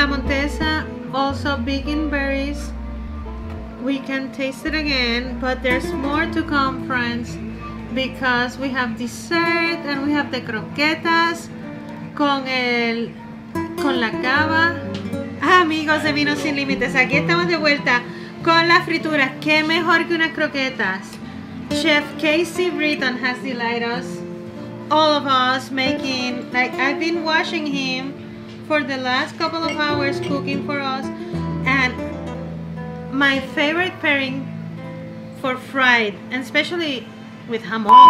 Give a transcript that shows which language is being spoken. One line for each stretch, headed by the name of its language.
English: La Montesa, also big in berries. We can taste it again, but there's more to come, friends, because we have dessert and we have the croquetas con la cava.
Spanish: Amigos de Vinos Sin Límites, aquí estamos de vuelta con las frituras. ¿Qué mejor que unas croquetas?
English: Chef Casey Britton has delighted us, all of us, making, like, I've been watching him for the last couple of hours cooking for us, and my favorite pairing for fried, and especially with jamon.